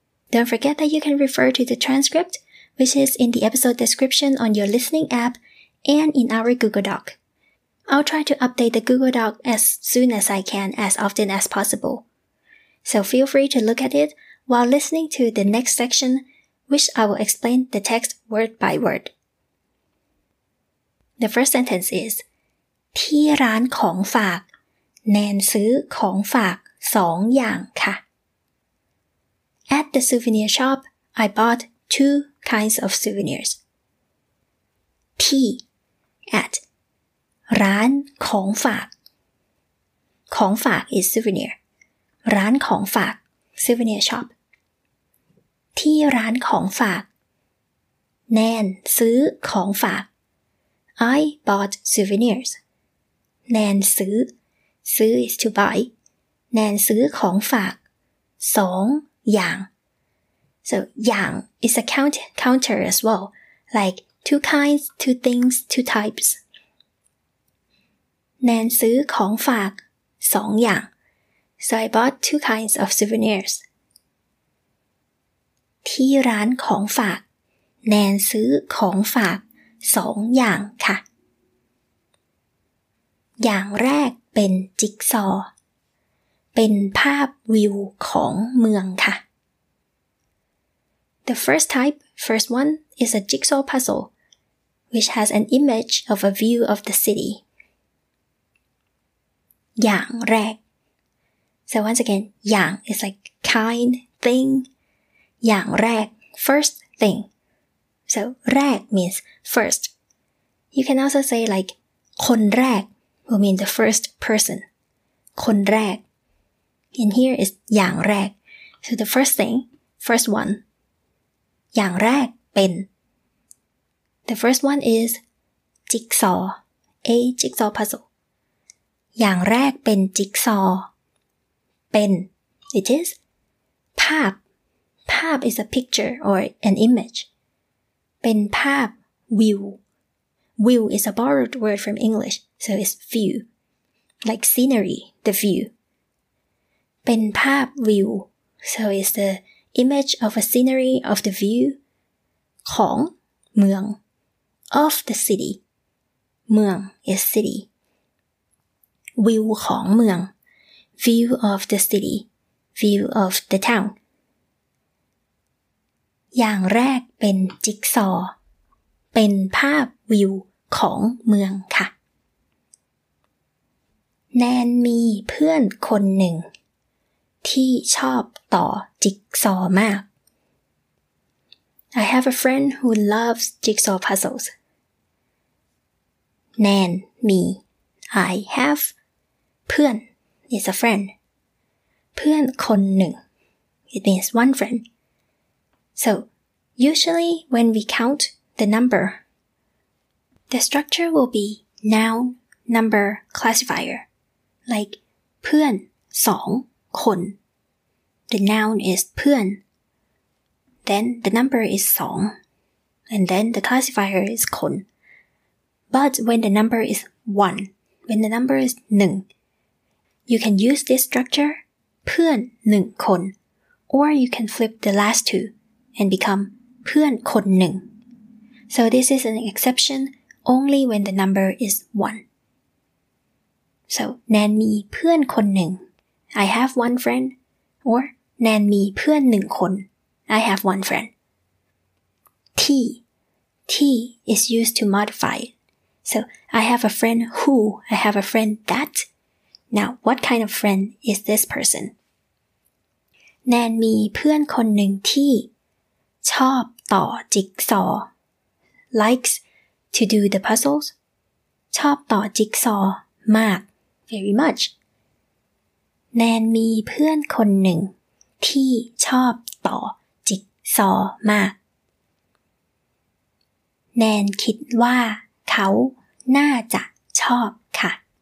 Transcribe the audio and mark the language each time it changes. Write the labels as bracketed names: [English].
[English] Don't forget that you can refer to the transcript, which is in the episode description on your listening app and in our Google Doc. I'll try to update the Google Doc as soon as I can, as often as possible. So feel free to look at it while listening to the next section, which I will explain the text word by word. The first sentence is, [Thai] ที่ร้านของฝากแนนซื้อของฝาก2อย่างค่ะ [English] At the souvenir shop, I bought two kinds of souvenirs. ที่ at ร้านของฝากของฝาก is souvenir. [Thai] ร้านของฝาก [English] souvenir shop. [Thai] ที่ร้านของฝากแนนซื้อของฝาก [English] I bought souvenirs. [Thai] แนนซื้อ ซื้อ [English] is to buy. [Thai] แนนซื้อของฝากสองอย่าง [English] So, yang is a counter as well, like two kinds, two things, two types. [Thai] Nan ซื้อของฝาก2อย่าง [English] So, I bought two kinds of souvenirs. [Thai] ที่ร้านของฝาก Nan ซื้อของฝาก2อย่างค่ะ อย่างแรกเป็นจิ๊กซอเป็นภาพวิวของเมืองค่ะ [English] The first type, first one, is a jigsaw puzzle. which has an image of a view of the city. [Thai] อย่างแรก [English] So once again, อย่าง is like kind thing. [Thai] อย่างแรก [English] first thing. So แรก means first. You can also say like คนแรก will mean the first person. [Thai] คนแรก [English] And here is [Thai] อย่างแรก [English] So the first thing, first one. [Thai] อย่างแรกเป็น [English] The first one is jigsaw, a jigsaw puzzle. [Thai] อย่างแรกเป็น jigsaw. [English] เป็น it is. ภาพ ภาพ is a picture or an image. [Thai] เป็นภาพ view. [English] View is a borrowed word from English, so it's view. Like scenery, the view. [Thai] เป็นภาพ view, [English] so it's the image of a scenery of the view. [Thai] ของเมือง [English] of the city เมือง is city view [Thai] ของเมือง [English] view of the city view of the town [Thai] อย่างแรกเป็นจิ๊กซอเป็นภาพวิวของเมืองค่ะแนนมีเพื่อนคนหนึ่งที่ชอบต่อจิ๊กซอมาก [English] I have a friend who loves jigsaw puzzles แนน me I have เพื่อน is a friend [Thai] เพื่อนคนหนึ่ง [English] it means one friend so usually when we count the number the structure will be noun number classifier like [Thai] เพื่อน2คน [English] the noun is เพื่อน then the number is 2 and then the classifier is คนBut when the number is 1, when the number is 1, you can use this structure, [Thai] เพื่อน 1 คน, [English] or you can flip the last two and become [Thai] เพื่อนคน 1. [English] So this is an exception only when the number is 1. So, [Thai] แนนมีเพื่อนคน 1, [English] I have one friend, or [Thai] แนนมีเพื่อน 1 คน, [English] I have one friend. ที is used to modify it. So, I have a friend who, I have a friend that. Now, what kind of friend is this person? [Thai] แนนมีเพื่อนคนหนึ่งที่ชอบต่อจิ๊กซอ [English] Likes to do the puzzles. [Thai] ชอบต่อจิ๊กซอมาก [English] Very much. [Thai] แนนมีเพื่อนคนหนึ่งที่ชอบต่อจิ๊กซอมากแนนคิดว่าเขาน่าจะชอบค่ะ